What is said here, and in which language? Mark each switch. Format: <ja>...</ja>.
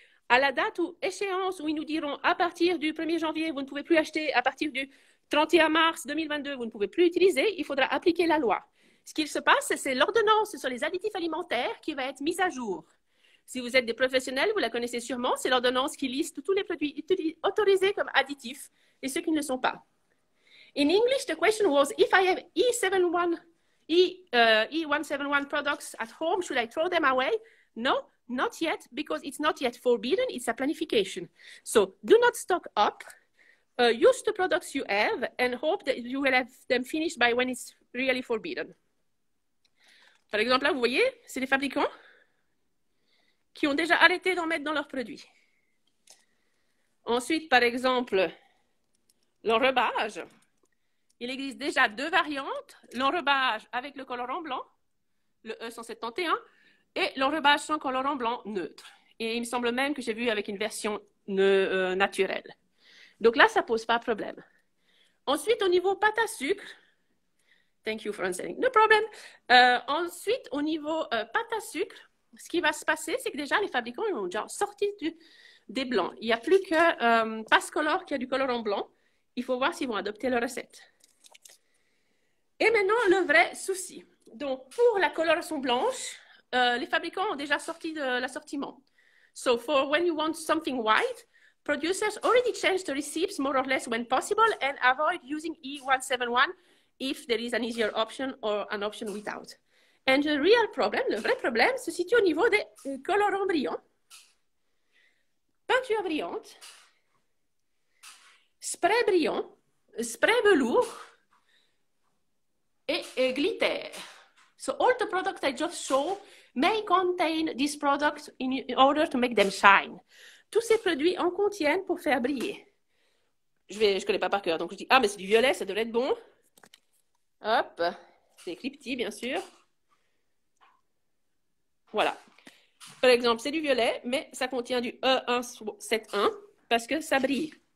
<fr>À la date ou échéance où ils nous diront à partir du 1er janvier, vous ne pouvez plus acheter, à partir du 31 mars 2022, vous ne pouvez plus utiliser, il faudra appliquer la loi. Ce qu'il se passe, c'est l'ordonnance sur les additifs alimentaires qui va être mise à jour. Si vous êtes des professionnels, vous la connaissez sûrement, c'est l'ordonnance qui liste tous les produits autorisés comme additifs et ceux qui ne le sont pas.</fr> <en>In English, the question was, if I have E171 products at home, should I throw them away? No, not yet, because it's not yet forbidden, it's a planification. So, do not stock up, use the products you have, and hope that you will have them finished by when it's really forbidden.</en> <fr>Par exemple, là, vous voyez, c'est les fabricants qui ont déjà arrêté d'en mettre dans leurs produits. Ensuite, par exemple, l'enrobage. Il existe déjà deux variantes, l'enrobage avec le colorant blanc, le E171, et l'enrobage sans colorant blanc neutre. Et il me semble même que j'ai vu avec une version naturelle. Donc là, ça ne pose pas de problème. Ensuite, au niveau pâte à sucre,</fr> <en>thank you for answering, no problem.</en> <fr>Ensuite, au niveau pâte à sucre, ce qui va se passer, c'est que déjà, les fabricants ils ont déjà sorti des blancs. Il n'y a plus que Passcolor qui a du colorant blanc. Il faut voir s'ils vont adopter la recette. Et maintenant, le vrai souci. Donc, pour la coloration blanche, les fabricants ont déjà sorti de l'assortiment.</fr> <en>So, for when you want something white, producers already changed the receipts more or less when possible and avoid using E171 if there is an easier option or an option without. And the real problem,</en> <fr>le vrai problème, se situe au niveau des colorants brillants, peintures brillantes, sprays brillants, sprays velours. Et glitter.</fr> <en>So all the products I just show may contain these products in order to make them shine.</en> <fr>Tous ces produits en contiennent pour faire briller. Je connais pas par cœur, donc je dis, ah, mais c'est du violet, ça devrait être bon. Hop, c'est Clipty, bien sûr. Voilà. Par exemple, c'est du violet, mais ça contient du E171 parce que ça brille.</fr>